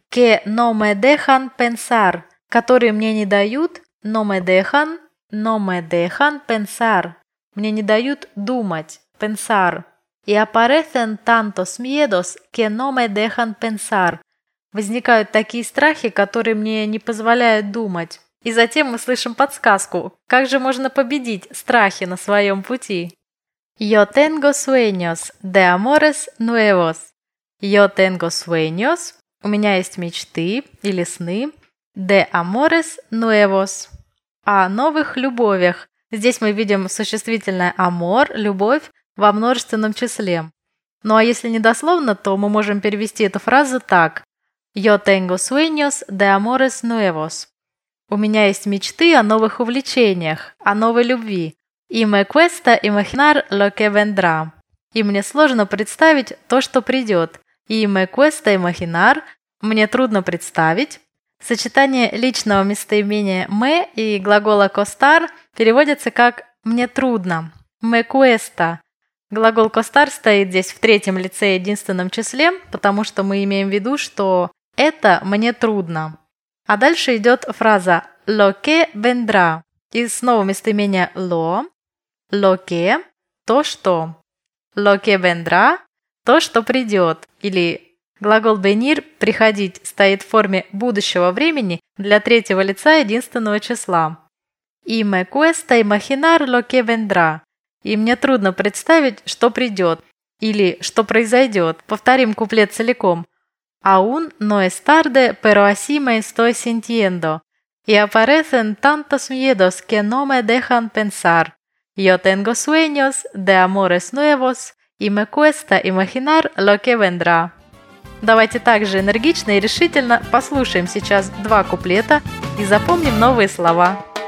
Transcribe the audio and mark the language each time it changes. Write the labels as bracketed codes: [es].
[es] «Que no me dejan pensar» – [ru] «которые мне не дают» [es] – «no me dejan», «no me dejan pensar» – [ru] «мне не дают думать», [es] «pensar». «Y aparecen tantos miedos que no me dejan pensar» – [ru] «возникают такие страхи, которые мне не позволяют думать». И затем мы слышим подсказку, как же можно победить страхи на своем пути. [es] Yo tengo sueños de amores nuevos. Yo tengo sueños. [ru] У меня есть мечты или сны. [es] De amores nuevos. [ru] О новых любовях. Здесь мы видим существительное amor, любовь, во множественном числе. Ну а если недословно, то мы можем перевести эту фразу так. [es] Yo tengo sueños de amores nuevos. [ru] У меня есть мечты о новых увлечениях, о новой любви. [es] И me cuesta imaginar lo que vendrá. [ru] И мне сложно представить то, что придет. [es] И me cuesta imaginar. [ru] Мне трудно представить. Сочетание личного местоимения me и глагола costar переводится как мне трудно. [es] Me cuesta. [ru] Глагол costar стоит здесь в третьем лице единственном числе, потому что мы имеем в виду, что это мне трудно. А дальше идет фраза [es] lo que vendrá. [ru] И снова местоимение lo. [es] Lo que [ru] – то, что. [es] Lo que vendrá [ru] – то, что придет. Или глагол venir – приходить стоит в форме будущего времени для третьего лица единственного числа. [es] Y me cuesta imaginar lo que vendrá. [ru] И мне трудно представить, что придет. Или что произойдет. Повторим куплет целиком. [es] Aún no es tarde, pero así me estoy sintiendo. Y aparecen tantos miedos que no me dejan pensar. Yo tengo sueños de amores nuevos y me cuesta imaginar lo que vendrá. [ru] Давайте также энергично и решительно послушаем сейчас два куплета и запомним новые слова.